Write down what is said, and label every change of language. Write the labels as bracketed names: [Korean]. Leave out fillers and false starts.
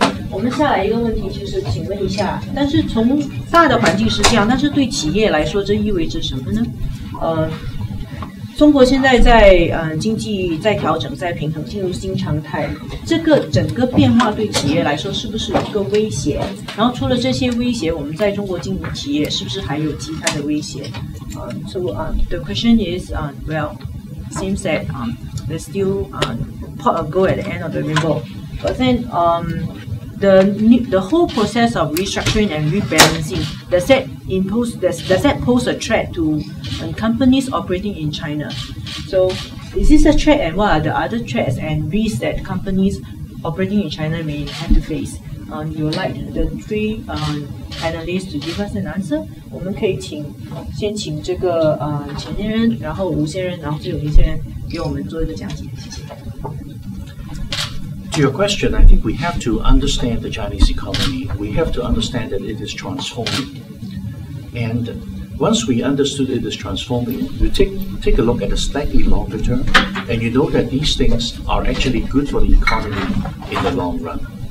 [Chinese] 我们下来一个问题就是，请问一下，但是从大的环境是这样，但是对企业来说，这意味着什么呢？中国现在在经济在调整，在平衡，进入新常态，这个整个变化对企业来说是不是一个威胁？然后除了这些威胁，我们在中国经营企业是不是还有其他的威胁？ [English] The question is, seems that there's still pot of gold at the end of the rainbow, but then the whole process of restructuring and rebalancing, does that pose a threat to companies operating in China? So is this a threat, and what are the other threats and risks that companies operating in China may have to face? You would like the three panelists to give us an answer? [Chinese] 我们可以先请这个钱先生，然后吴先生，然后最后林先生给我们做一个讲解，谢谢。 [English] To your question, I think we have to understand the Chinese economy. We have to understand that it is transforming. And once we understood it is transforming, you take a look at a slightly longer term, and you know that these things are actually good for the economy in the long run.